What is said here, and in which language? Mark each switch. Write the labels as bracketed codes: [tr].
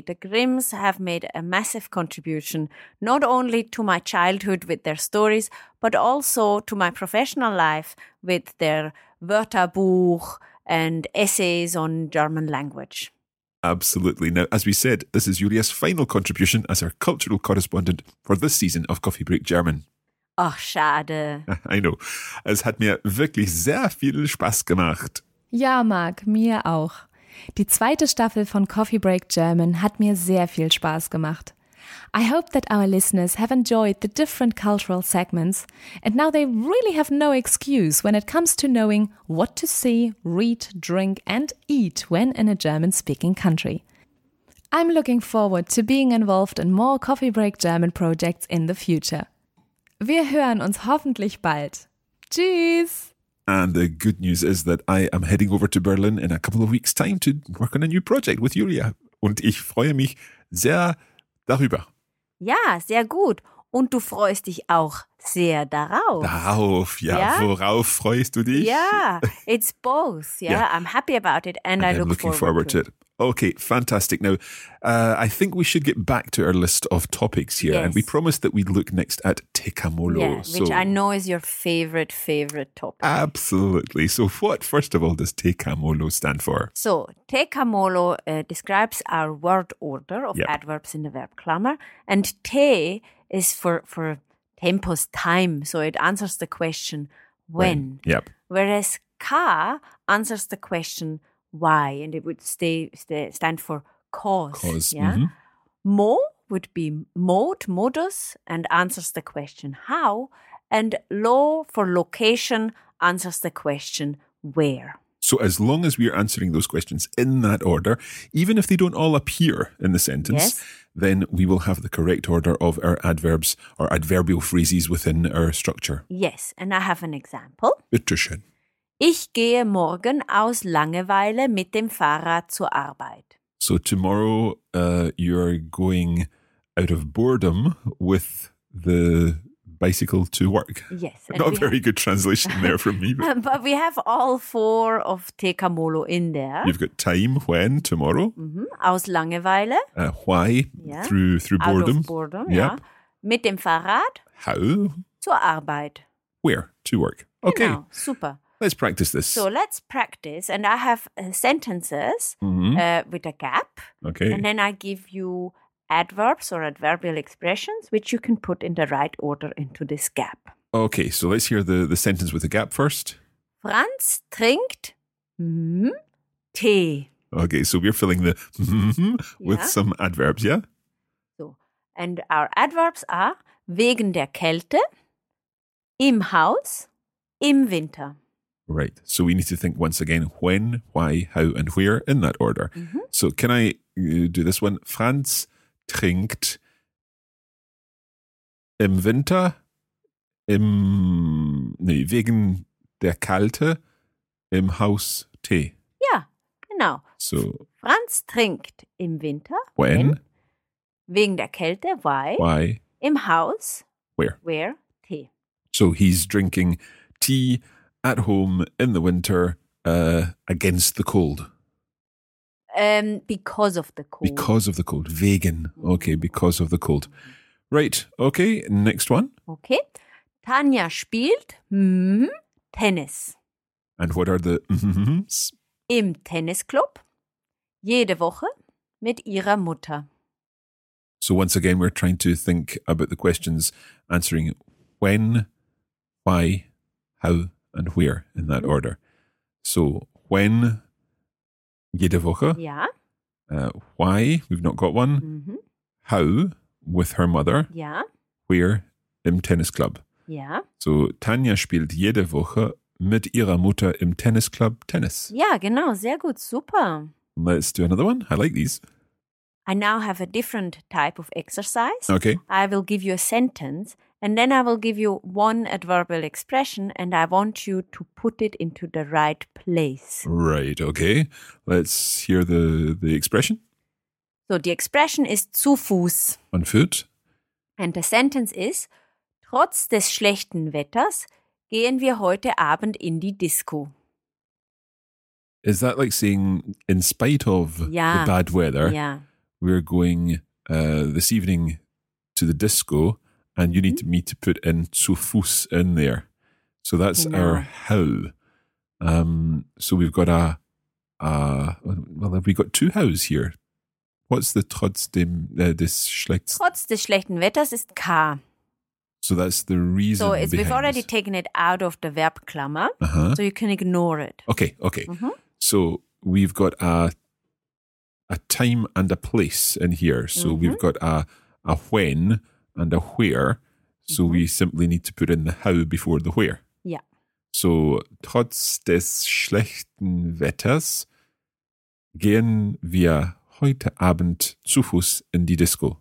[en] The Grimms have made a massive contribution, not only to my childhood with their stories, but also to my professional life with their Wörterbuch and essays on German language. Absolutely. Now, as we said, this is Julia's final contribution as our cultural correspondent for this season of Coffee Break German. [de] Ach, schade. [en] I know. [de] Es hat mir wirklich sehr viel Spaß gemacht. Ja, Marc, mir auch. Die zweite Staffel von Coffee Break German hat mir sehr viel Spaß gemacht. [en] I hope that our listeners have enjoyed the different cultural segments and now they really have no excuse when it comes to knowing what to see, read, drink and eat when in a German-speaking country. I'm looking forward to being involved in more Coffee Break German projects in the future. [de] Wir hören uns hoffentlich bald. Tschüss! [en] And the good news is that I am heading over to Berlin in a couple of weeks' time to work on a new project with Julia. [de] Und ich freue mich sehr darüber. Ja, sehr gut. Und du freust dich auch sehr darauf. Darauf, ja. Ja? Worauf freust du dich? [en] Ja, it's both. Yeah, yeah. I'm happy about it and I look forward to it. Okay, fantastic. Now, I think we should get back to our list of topics here. Yes. And we promised that we'd look next at Tikkamollo. Yeah, so, which I know is your favorite topic. Absolutely. So what, first of all, does Tikkamollo stand for? So Tikkamollo describes our word order of adverbs in the verb klammer. And te is for tempus, time. So it answers the question, when. Yep. Whereas ka answers the question, why, and it would stand for cause. Yeah, mm-hmm. Mo would be mode, modus, and answers the question how, and lo for location answers the question where. So as long as we are answering those questions in that order, even if they don't all appear in the sentence, yes, then we will have the correct order of our adverbs or adverbial phrases within our structure. Yes, and I have an example. [de] Bitte schön. Ich gehe morgen aus Langeweile mit dem Fahrrad zur Arbeit. [en] So tomorrow you're going out of boredom with the bicycle to work. Yes. Not a very good translation there from me. But we have all four of Tikkamollo in there. You've got time, when, tomorrow. [de] Mm-hmm. Aus Langeweile. [en] Why, yeah. through boredom. Out of boredom, yep. Yeah. [de] Mit dem Fahrrad. [en] How? [de] Zur Arbeit. [en] Where? To work. Okay. [de] Genau. Super. [en] Let's practice this. So let's practice. And I have sentences with a gap. Okay. And then I give you adverbs or adverbial expressions, which you can put in the right order into this gap. Okay. So let's hear the sentence with the gap first. [de] Franz trinkt Tee. [en] Okay. So we're filling the with some adverbs, yeah? So, and our adverbs are [de] wegen der Kälte, im Haus, im Winter. [en] Right. So we need to think once again, when, why, how, and where in that order. Mm-hmm. So can I do this one? [de] Franz trinkt im Winter wegen der Kälte im Haus Tee. Ja, genau. [en] So [de] Franz trinkt im Winter. [en] When? [de] Wegen der Kälte, why? [en] Why? [de] Im Haus. [en] Where? Where? Tee. So he's drinking tea at home in the winter, against the cold. Because of the cold. Because of the cold. Wegen. Okay, because of the cold. Right. Okay, next one. [de] Okay. Tanja spielt Tennis. [en] And what are the mm-hmms? [de] Im Tennisclub. Jede Woche mit ihrer Mutter. [en] So once again, we're trying to think about the questions answering when, why, how, and where in that order. So, when, [de] jede Woche. [en] Yeah. Why, we've not got one. Mm-hmm. How, with her mother. Yeah. [de] Where, im Tennis Club. [en] Yeah. [de] So, Tanja spielt jede Woche mit ihrer Mutter im Tennis Club Tennis. Yeah, genau, sehr gut, super. [en] Let's do another one. I like these. I now have a different type of exercise. Okay. I will give you a sentence. And then I will give you one adverbial expression and I want you to put it into the right place. Right, okay. Let's hear the expression. So the expression is zu Fuß. On foot. And the sentence is, [de] trotz des schlechten Wetters gehen wir heute Abend in die Disco. [en] Is that like saying, in spite of the bad weather, we're going this evening to the disco? And you need me to put in zu Fuß in there. So that's our how. So we've got have we got two hows here? What's the [de] trotz des schlechten Wetters ist K. [en] So that's the reason. So we've already taken it out of the verb klammer. Uh-huh. So you can ignore it. Okay, okay. Mm-hmm. So we've got a time and a place in here. So mm-hmm. we've got a when and a where. So mm-hmm. we simply need to put in the how before the where. Yeah. [de] So trotz des schlechten Wetters gehen wir heute Abend zu Fuß in die Disco.